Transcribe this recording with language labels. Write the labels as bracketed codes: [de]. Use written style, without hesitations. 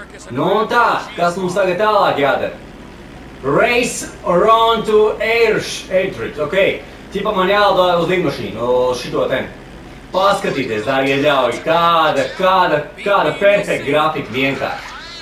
[lv] Nu un tā, kas mums tagad tālāk jādara? [en] Race around to Airdrid, okei. [lv] Tipa man jālido uz lidmašīnu, šito ten. Paskatīties, dārgie ļauj, kāda perfekta grafika vienkārši.